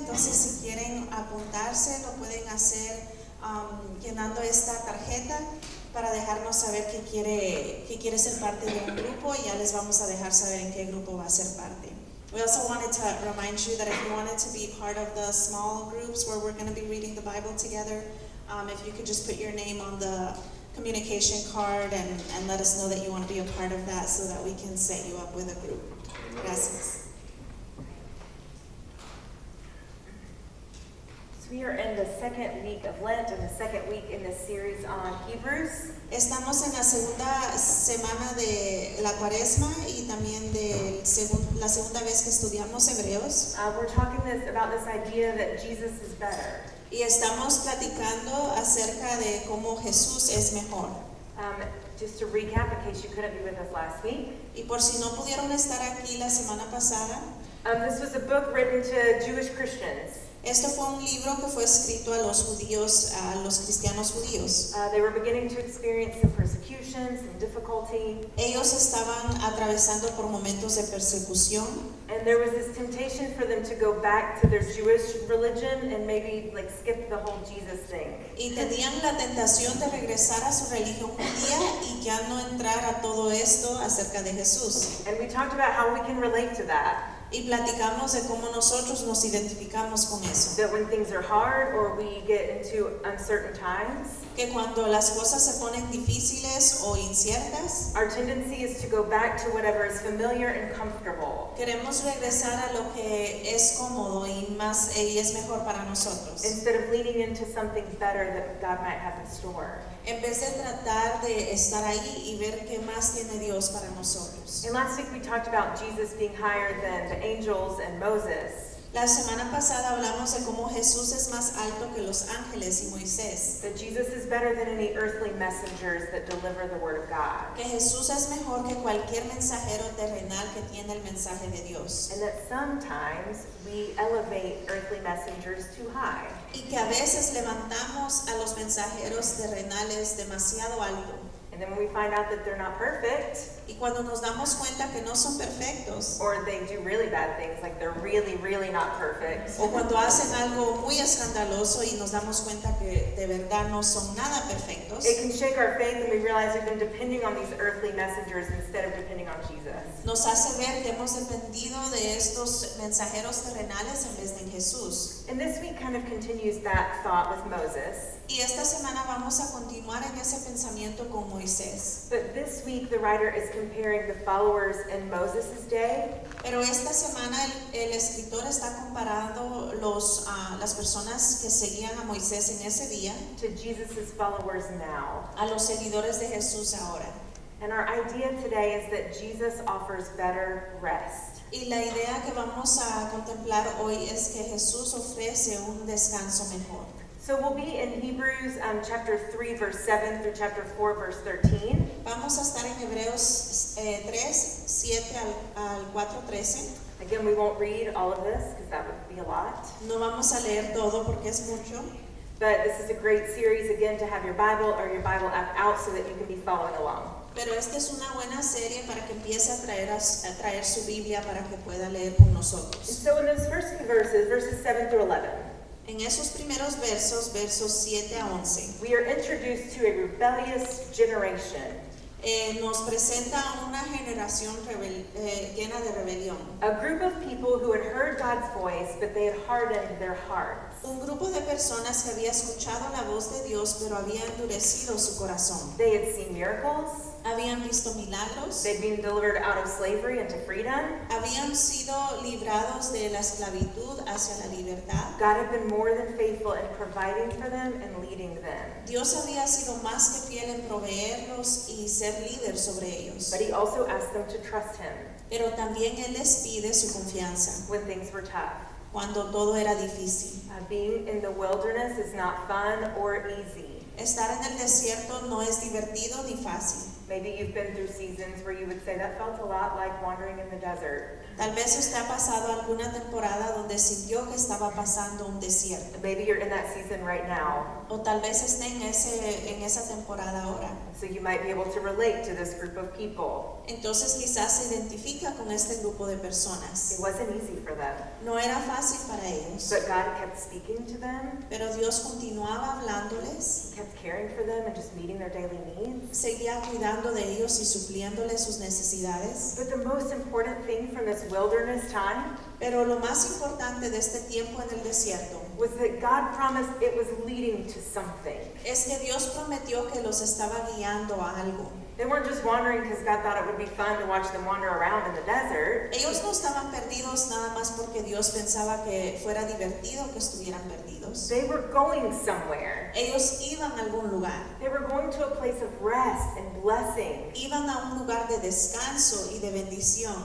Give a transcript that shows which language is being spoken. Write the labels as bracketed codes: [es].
[es] Entonces, si quieren apuntarse, lo pueden hacer llenando esta tarjeta para dejarnos saber que quiere ser parte de un grupo, y ya les vamos a dejar saber en qué grupo va a ser parte. [en] We also wanted to remind you that if you wanted to be part of the small groups where we're going to be reading the Bible together, if you could just put your name on the communication card and let us know that you want to be a part of that so that we can set you up with a group. [es] Gracias. [en] We are in the second week of Lent and the second week in the series on Hebrews. [es] Estamos en la segunda semana de la Cuaresma y también de la segunda vez que estudiamos Hebreos. [en] We're talking about this idea that Jesus is better. [es] Y estamos platicando acerca de cómo Jesús es mejor. [en] Just to recap, in case you couldn't be with us last week. [es] Y por si no pudieron estar aquí la semana pasada. [en] This was a book written to Jewish Christians. [es] Esto fue un libro que fue escrito a los judíos, a los cristianos judíos. [en] They were beginning to experience some persecutions and difficulty. [es] Ellos estaban atravesando por momentos de persecución. [en] And there was this temptation for them to go back to their Jewish religion and maybe like skip the whole Jesus thing. [es] Y tenían la tentación de regresar a su religión judía y ya no entrar a todo esto acerca de Jesús. [en] And we talked about how we can relate to that. [es] Y platicamos de cómo nosotros nos identificamos con eso. [en] That when things are hard or we get into uncertain times, [es] que cuando las cosas se ponen difíciles o inciertas, [en] our tendency is to go back to whatever is familiar and comfortable. [es] Queremos regresar a lo que es cómodo y más y es mejor para nosotros. [en] Instead of leaning into something better that God might have in store. [es] En vez de tratar de estar ahí y ver qué más tiene Dios para nosotros. [en] And last week we talked about Jesus being higher than the angels and Moses. [es] La semana pasada hablamos de cómo Jesús es más alto que los ángeles y Moisés. [en] That Jesus is better than any earthly messengers that deliver the word of God. [es] Que Jesús es mejor que cualquier mensajero terrenal que tiene el mensaje de Dios. [en] And that sometimes we elevate earthly messengers too high. [es] Y que a veces levantamos a los mensajeros terrenales demasiado alto. [en] And then when we find out that they're not perfect, [es] y cuando nos damos cuenta que no son perfectos, [en] or they do really bad things, like they're really, really not perfect, [es] o cuando hacen algo muy escandaloso y nos damos cuenta que de verdad no son nada perfectos, [en] it can shake our faith and we realize we've been depending on these earthly messengers instead of depending on Jesus. [es] Nos hace ver que hemos dependido de estos mensajeros terrenales en vez de Jesús. [en] And this week kind of continues that thought with Moses. [es] Y esta semana vamos a continuar en ese pensamiento con Moisés. [en] But this week the writer is comparing the followers in Moses' day. [es] Pero esta semana el escritor está comparando las personas que seguían a Moisés en ese día. [en] To Jesus' followers now. [es] A los seguidores de Jesús ahora. [en] And our idea today is that Jesus offers better rest. [es] Y la idea que vamos a contemplar hoy es que Jesús ofrece un descanso mejor. [en] So we'll be in Hebrews chapter 3, verse 7 through chapter 4, verse 13. [es] Vamos a estar en Hebreos 3, 7 al 4, 13. [en] Again, we won't read all of this because that would be a lot. [es] No vamos a leer todo porque es mucho. [en] But this is a great series, again, to have your Bible or your Bible app out so that you can be following along. [es] Pero esta es una buena serie para que empiece a traer su Biblia para que pueda leer con nosotros. [en] And so in those first few verses, verses 7 through 11. [es] En esos primeros versos, versos 7 a 11. [en] We are introduced to a rebellious generation. [es] Nos presenta una generación llena de rebelión. [en] A group of people who had heard God's voice, but they had hardened their hearts. [es] Un grupo de personas que había escuchado la voz de Dios, pero había endurecido su corazón. [en] They had seen miracles. [es] Habían visto milagros. [en] They'd been delivered out of slavery into freedom. [es] Habían sido librados de la esclavitud hacia la libertad. [en] God had been more than faithful in providing for them and leading them. [es] Dios había sido más que fiel en proveerlos y ser líder sobre ellos. [en] But he also asked them to trust him. [es] Pero también él les pide su confianza. [en] When things were tough. [es] Cuando todo era difícil. [en] Being in the wilderness is not fun or easy. [es] Estar en el desierto no es divertido ni fácil. [en] Maybe you've been through seasons where you would say that felt a lot like wandering in the desert. [es] Tal vez usted ha pasado alguna temporada donde sintió que estaba pasando un desierto. [en] Maybe you're in that season right now. [es] O tal vez esté en esa temporada ahora. [en] So you might be able to relate to this group of people. [es] Entonces quizás se identifica con este grupo de personas. [en] It wasn't easy for them. [es] No era fácil para ellos. [en] But God kept speaking to them. [es] Pero Dios continuaba hablándoles. [en] He kept caring for them and just meeting their daily needs. [es] Seguía cuidando de ellos y supliéndoles sus necesidades. [en] But the most important thing from this wilderness time. [es] Pero lo más importante de este tiempo en el desierto. [en] Was that God promised it was leading to something. [es] Es que Dios prometió que los estaba guiando a algo. [en] They weren't just wandering because God thought it would be fun to watch them wander around in the desert. [es] Ellos no estaban perdidos nada más porque Dios pensaba que fuera divertido que estuvieran perdidos. [en] They were going somewhere. [es] Ellos iban a algún lugar. [en] They were going to a place of rest and blessing. [es] Iban a un lugar de descanso y de bendición.